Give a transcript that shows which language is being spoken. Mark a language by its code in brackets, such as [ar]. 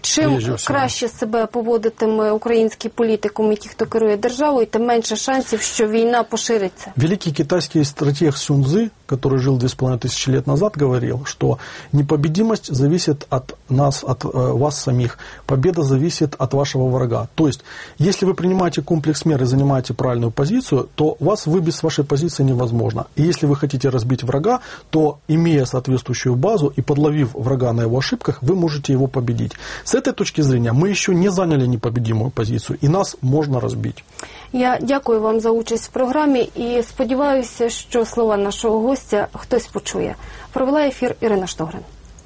[uk] Чим краще себе поводитиме український політиком і ті, хто керує державою, тим менше шансів, що війна пошириться. Великий китайський стратег [ru] Сун Цзи, который жил 2500 лет назад, говорил, что непобедимость зависит от нас, от вас самих. Победа зависит от вашего врага. То есть, если вы принимаете комплекс мер и занимаете правильную позицию, то вас выбить с вашей позиции невозможно. И если вы хотите разбить врага, то, имея соответствующую базу и подловив врага на его ошибках, вы можете его победить. С этой точки зрения мы еще не заняли непобедимую позицию, и нас можно разбить. [uk] Я дякую вам за участь в програмі і сподіваюся, що слова нашого гостя хтось почує. Провела ефір Ірина Штогрень.